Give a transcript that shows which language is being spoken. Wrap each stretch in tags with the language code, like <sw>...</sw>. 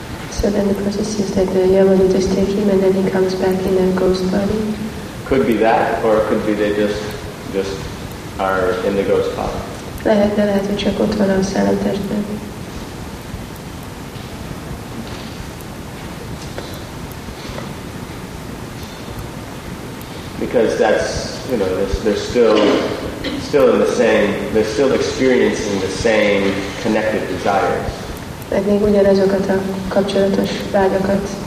<en>So then the process is that the Yamadutta is taking him and then he comes back in a ghost body? Could be that, or could be they just are in the ghost body.</en> <hu>Lehet, de lehet, hogy csak ott van a szellem testben.</hu> <en>Because that's, you know, they're still experiencing the same connected desires.</en> <hu>Mert még ugyanazokat a kapcsolatos vágyakat</hu>